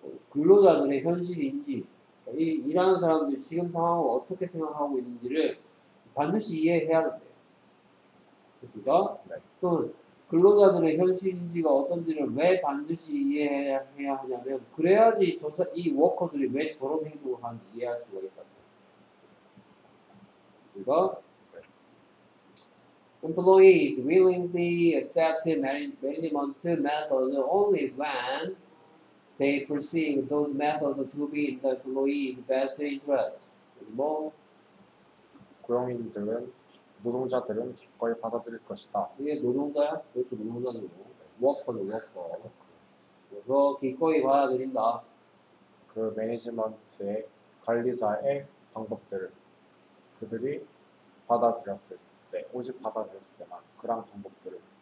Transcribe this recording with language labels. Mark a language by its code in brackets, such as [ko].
[ko] 근로자들의 현실인지, 일하는 사람들이 지금 상황을 어떻게 생각하고 있는지를 반드시 이해해야 된대요. 그렇습니까? 네. 또 근로자들의 현실인지가 어떤지를 왜 반드시 이해해야 하냐면 그래야지 이 워커들이 왜 저런 행동을 하는지 이해할 수가 있다고. 그렇습니까? 네. [en] Employees willingly accept management methods only when they perceive those methods to be in the employee's best interest. [ko] 뭐? 고용인들은, 노동자들은 기꺼이 받아들일 것이다. 이게 노동자야? 그렇죠, 노동자들이고. 워커는 워커. 그래서 기꺼이 받아들인다. 그 매니지먼트의 관리자의 방법들을 그들이 받아들였을 때, 오직 받아들였을 때만 그런 방법들을